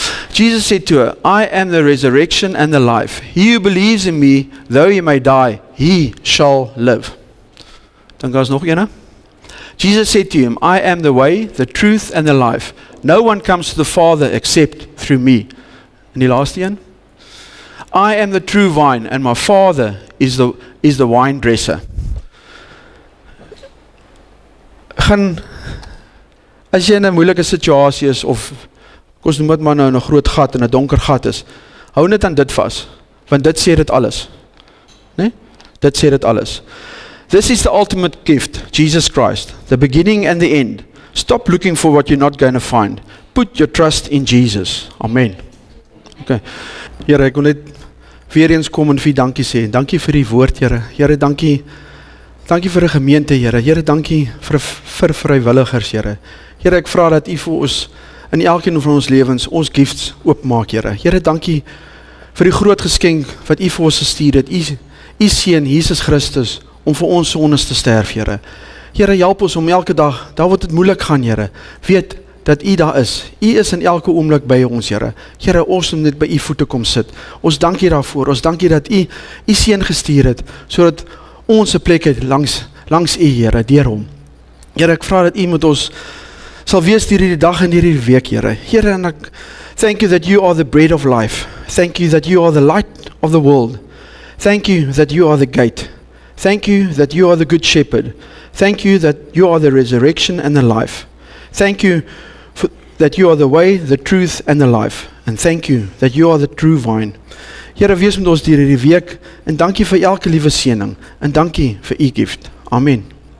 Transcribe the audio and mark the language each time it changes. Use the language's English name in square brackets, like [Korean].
[English] Jesus said to her, I am the resurrection and the life. He who believes in me, though he may die, he shall live. [Afrikaans] Dan gaan ons nog een. [English] Jesus said to him, I am the way, the truth and the life. No one comes to the Father except through me. [Afrikaans] En die laaste een. [English] I am the true vine and my Father is the wine dresser. [Afrikaans] Gaan, as jy in 'n moeilike situasie is of ons noem het maar nou in 'n groot gat, in 'n donker gat is, hou net aan dit vas, want dit sê dit alles. Nee? Dit sê dit alles. [English] This is the ultimate gift, Jesus Christ, the beginning and the end. Stop looking for what you're not going to find. Put your trust in Jesus. Amen. Okay. [Afrikaans] Here, ek wil net weer eens kom en vir dankie sê. Dankie vir die woord, Here. Here, dankie. Dankie vir die gemeente, Here. Here, dankie vir vrywilligers, Here. Here, ek vra dat U vir ons in elkeen van ons lewens ons gifts oopmaak, Here. Here, dankie vir die groot geskenk wat U vir ons gestuur het. U seun Jesus Christus om vir ons sondes te sterf, Here. Here, help ons om elke dag, daar word dit moeilik gaan, Here. Weet dat U daar is. U is in elke oomblik by ons, Here. Here, ons moet net by U voete kom sit. Ons dankie daarvoor. Ons dankie dat U seun gestuur het sodat ons 'n plek het langs U, Here, deur hom. Here, ek vra dat U met ons sal wees hierdie dag en hierdie week, Here. [English] Here, and I thank you that you are the bread of life. Thank you that you are the light of the world. Thank you that you are the gate. Thank you that you are the good shepherd. Thank you that you are the resurrection and the life. Thank you that you are the way, the truth and the life. And thank you that you are the true vine. [Afrikaans] Here, wees met ons hierdie week en dankie vir elke liewe seëning en dankie vir u gift. Amen.